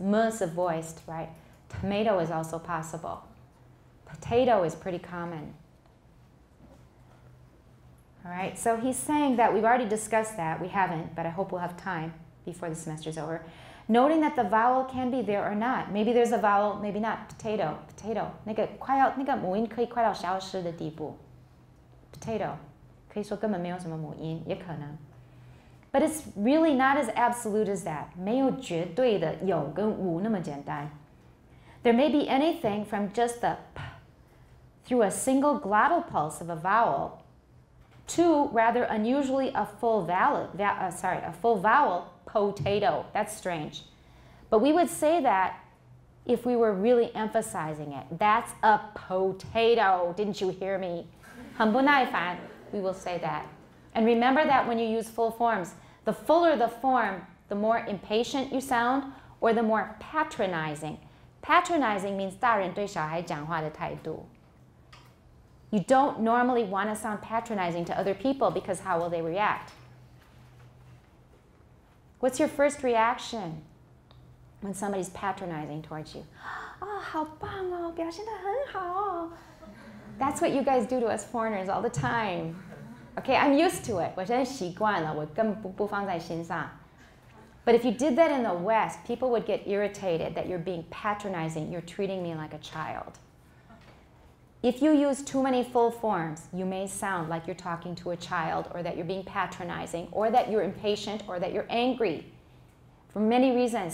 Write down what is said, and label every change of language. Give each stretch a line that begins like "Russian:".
English: M is voiced, right? Tomato is also possible. Potato is pretty common. All right, so he's saying that we've already discussed that. We haven't, but I hope we'll have time before the semester's over. Noting that the vowel can be there or not. Maybe there's a vowel, maybe not. Potato, potato.
Chinese: 那个快要那个母音可以快到消失的地步。
English: Potato.
Chinese: 可以说根本没有什么母音，也可能。
English: But it's really not as absolute as that.
Chinese: 没有绝对的有跟无那么简单。
English: There may be anything from just the p through a single glottal pulse of a vowel to rather unusually a full vowel, a full vowel, potato. That's strange. But we would say that if we were really emphasizing it. That's a potato. Didn't you hear me?
Chinese: 很不耐烦,
English: we will say that. And remember that when you use full forms, the fuller the form, the more impatient you sound or the more patronizing. Patronizing means
Chinese: 大人对小孩讲话的态度。
English: You don't normally want to sound patronizing to other people because how will they react? What's your first reaction when somebody's patronizing towards you?
Chinese: Oh, 好棒哦，表现得很好哦。
English: That's what you guys do to us foreigners all the time. Okay, I'm used to it.
Chinese: 我现在习惯了，我根本不放在心上。
English: But if you did that in the West, people would get irritated that you're being patronizing, you're treating me like a child. If you use too many full forms, you may sound like you're talking to a child or that you're being patronizing or that you're impatient or that you're angry for many reasons.